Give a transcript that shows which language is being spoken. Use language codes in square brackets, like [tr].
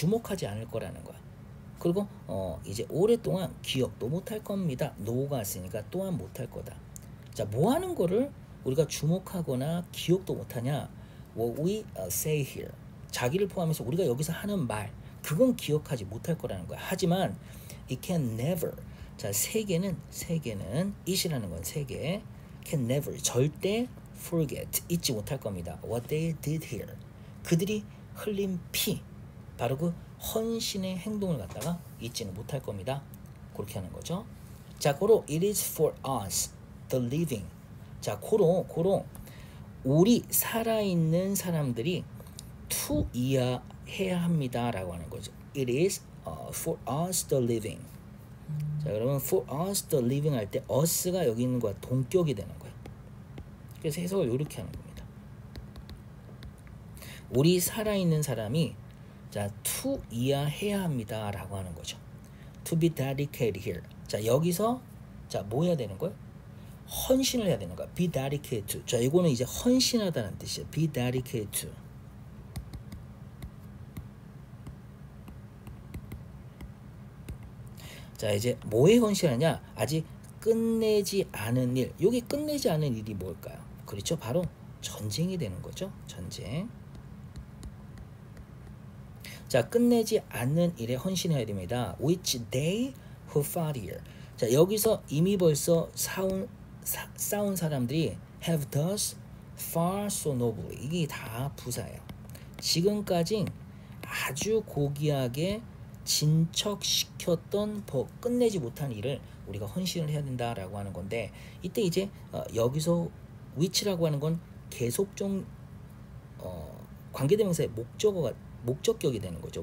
[ko] 주목하지 않을 거라는 거야. 그리고 이제 오랫동안 기억도 못할 겁니다. 녹았으니까 또한 못할 거다. 자, 뭐 하는 거를 우리가 주목하거나 기억도 못하냐? [en] What we say here. [ko] 자기를 포함해서 우리가 여기서 하는 말, 그건 기억하지 못할 거라는 거야. 하지만 [en] it can never. [ko] 자, 세계는 it이라는 건 세계. [en] Can never. [ko] 절대 forget. 잊지 못할 겁니다. [en] What they did here. [ko] 그들이 흘린 피. 바로 그 헌신의 행동을 갖다가 잊지는 못할 겁니다. 그렇게 하는 거죠. 자, 고로 [en] it is for us the living. [ko] 자, 고로 우리 살아 있는 사람들이 to 이해해야 합니다라고 하는 거죠. [en] It is for us the living. 자, 그러면 for us the living [ko] 할 때 us가 여기 있는 거야. 동격이 되는 거야. 그래서 해석을 이렇게 하는 겁니다. 우리 살아 있는 사람이 자, to 이해해야 합니다라고 하는 거죠. [en] To be dedicated here. [ko] 자, 여기서 자, 뭐 해야 되는 거야? 헌신을 해야 되는 거야. [en] Be dedicated to. [ko] 자, 이거는 이제 헌신하다는 뜻이야. [en] Be dedicated to. [ko] 자, 이제 뭐에 헌신하냐? 아직 끝내지 않은 일. 여기 끝내지 않은 일이 뭘까요? 그렇죠? 바로 전쟁이 되는 거죠. 전쟁. 자, 끝내지 않는 일에 헌신해야 됩니다. [en] Which they who fought here. [ko] 자, 여기서 이미 벌써 싸운 사람들이 [en] have thus far so nobly. [ko] 이게 다 부사예요. 지금까지 아주 고귀하게 진척시켰던 법, 끝내지 못한 일을 우리가 헌신을 해야 된다라고 하는 건데, 이때 이제 여기서 which라고 하는 건 계속적 관계대명사의 목적격이 되는 거죠.